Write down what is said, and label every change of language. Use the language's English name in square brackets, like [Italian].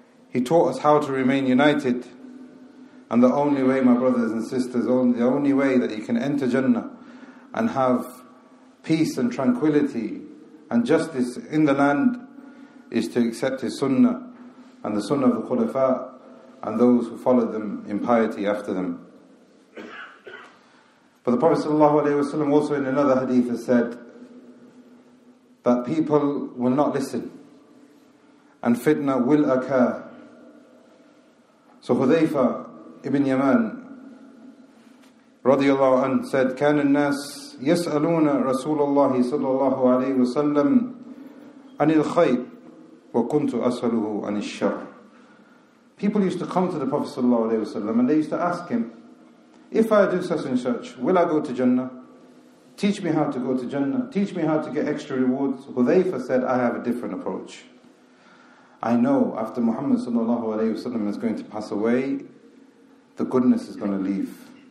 [English] He taught us how to remain united. And the only way, my brothers and sisters, the only way that you can enter Jannah and have peace and tranquility and justice in the land is to accept his sunnah and the sunnah of the Khulafa and those who followed them in piety after them. But the Prophet ﷺ also in another hadith has said that people will not listen and fitna will occur. So Hudhayfa ibn Yaman radiallahu anh said, [Arabic] "كان الناس يسألون رسول الله صلى الله عليه وسلم عن الخير وكنت أسأله عن الشر." [English] People used to come to the Prophet sallallahu alaihi wasallam and they used to ask him, "If I do such and such, will I go to Jannah? Teach me how to go to Jannah. Teach me how to get extra rewards." Hudhayfa said, "I have a different approach. I know after Muhammad sallallahu alaihi wasallam is going to pass away, the goodness is going to leave.